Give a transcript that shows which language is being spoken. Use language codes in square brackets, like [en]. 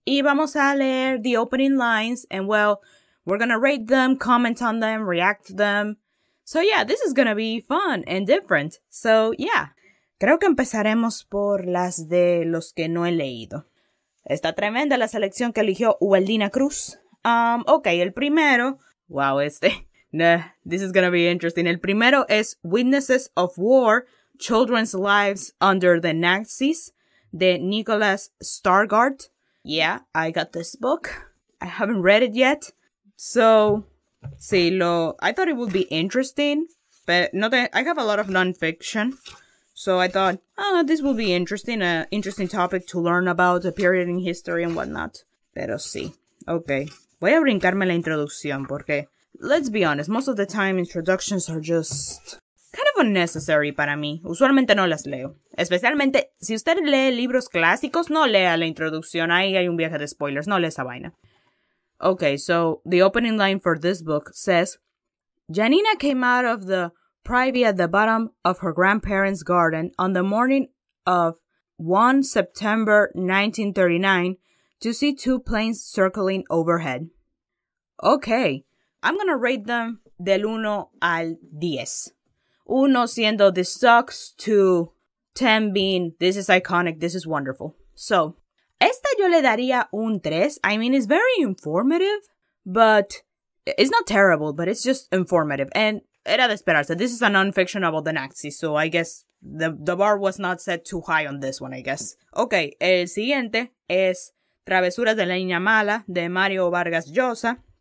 [en] Y vamos a leer the opening lines, and well, we're gonna rate them, comment on them, react to them. So yeah, this is gonna be fun and different. [es] So yeah, creo que empezaremos por las de los que no he leído. Está tremenda la selección que eligió Ubaldina Cruz. Okay, [en] el primero. [es] Wow, [en] este. [es] Nah, this is gonna be interesting. El primero es Witnesses of War, Children's Lives Under the Nazis, de Nicholas Stargard. [en] Yeah, I got this book. I haven't read it yet. So, sí, I thought it would be interesting, but I have a lot of nonfiction. So I thought, this will be interesting, an interesting topic to learn about a period in history and whatnot. Pero sí, okay. Voy a brincarme la introducción porque, let's be honest, most of the time introductions are just kind of unnecessary para mí. [es] Usualmente no las leo. Especialmente si usted lee libros clásicos, no lea la introducción. Ahí hay un viaje de spoilers. No lea esa vaina. [en] Okay, so the opening line for this book says, Janina came out of the privy at the bottom of her grandparents' garden on the morning of 1 September 1939 to see 2 planes circling overhead. Okay, I'm gonna rate them del 1 al 10. 1 siendo this sucks, to 10 being this is iconic, this is wonderful. So, esta yo le daría un 3. I mean, it's very informative, but it's not terrible, but it's just informative. And era de esperarse. This is a non-fiction about the Nazis, so I guess the bar was not set too high on this one, I guess. [es] Okay, el siguiente es Travesuras de la Niña Mala, de Mario Vargas Llosa.